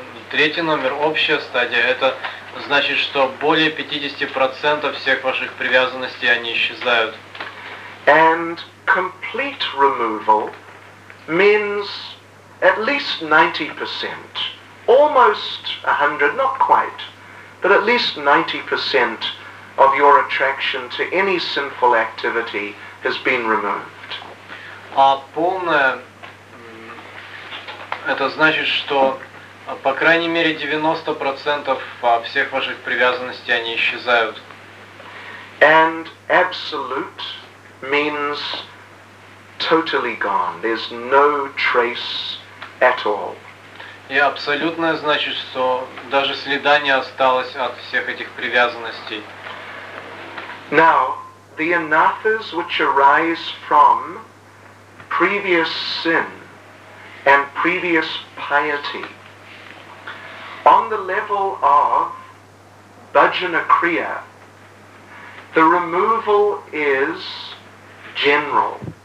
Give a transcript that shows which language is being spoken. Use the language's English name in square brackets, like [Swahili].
[Russian] Третья номер, общая стадия, это значит, что более 50% всех ваших привязанностей, они исчезают. [English] And complete removal means at least 90%, almost 100, not quite, but at least 90% of your attraction to any sinful activity has been removed. [Russian] А полное, это значит, что по крайней мере 90% всех ваших привязанностей, они исчезают. [English] And absolute means totally gone. There's no trace at all. [Russian] И абсолютное значит, что даже следа не осталось от всех этих привязанностей. [English] Now, the anathas which arise from previous sin and previous piety on the level of bhajana kriya, the removal is general.